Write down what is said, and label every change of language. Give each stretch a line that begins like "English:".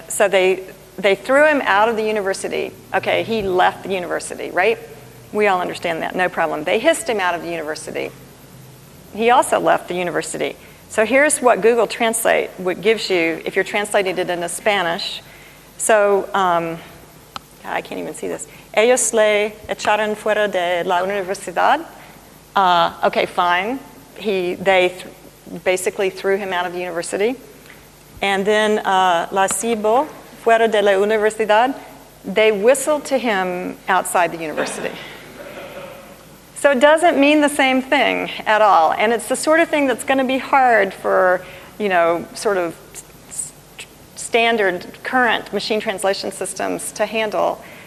English: So they threw him out of the university. Okay, he left the university, right? We all understand that, no problem. They hissed him out of the university. He also left the university. So here's what Google Translate gives you if you're translating it into Spanish. So, I can't even see this.
Spanish: Ellos le echaron fuera de la universidad.
English: Okay, fine. They basically threw him out of university. And then
Spanish: la cibo fuera de la universidad.
English: They whistled to him outside the university. So it doesn't mean the same thing at all. And it's the sort of thing that's going to be hard for, you know, sort of standard current machine translation systems to handle.